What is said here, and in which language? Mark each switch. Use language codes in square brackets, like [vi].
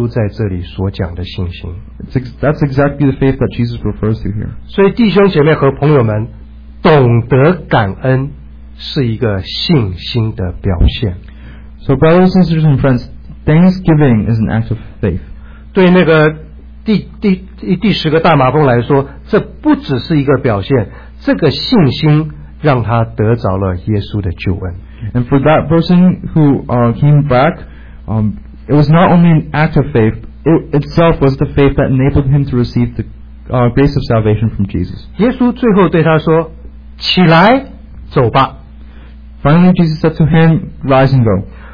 [zh] 也正是耶稣在这里所讲的信心, [en] that's exactly the faith that Jesus refers to here. [zh] 所以弟兄姐妹和朋友们, 懂得感恩, 是一个信心的表现。 [en] So brothers and sisters and friends, Thanksgiving is an act of faith. [zh] 对那个第十个大麻风来说, 这不只是一个表现, 这个信心让他得着了耶稣的救恩。 [en] And for that person who came back, it was not only an act of faith, it itself was the faith that enabled him to receive the grace of salvation from Jesus. [zh] 耶稣最后对他说, 起来, 走吧。 [en] Finally, Jesus said to him, Rise and go.